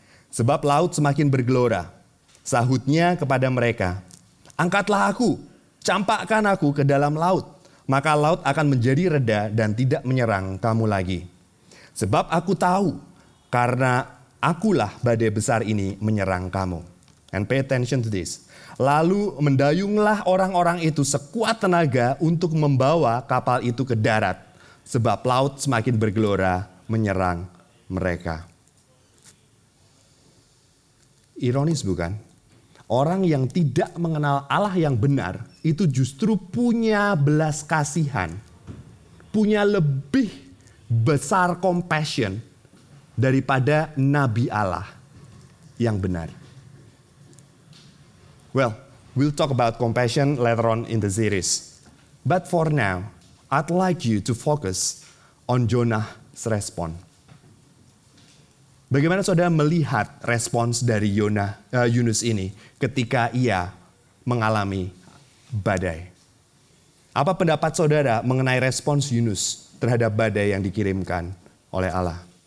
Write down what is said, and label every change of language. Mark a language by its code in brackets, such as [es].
[id] Sebab laut semakin bergelora." Sahutnya kepada mereka, "Angkatlah aku, campakkan aku ke dalam laut, maka laut akan menjadi reda dan tidak menyerang kamu lagi. Sebab aku tahu, karena akulah badai besar ini menyerang kamu." [en] And pay attention to this. [id] Lalu mendayunglah orang-orang itu sekuat tenaga untuk membawa kapal itu ke darat, sebab laut semakin bergelora menyerang mereka. Ironis bukan? Orang yang tidak mengenal Allah yang benar itu justru punya belas kasihan, punya lebih besar compassion daripada Nabi Allah yang benar. [en] Well, we'll talk about compassion later on in the series. But for now, I'd like you to focus on Jonah's response. [id] Bagaimana saudara melihat respons dari Yunus ini ketika ia mengalami badai? Apa pendapat saudara mengenai respons Yunus terhadap badai yang dikirimkan oleh Allah?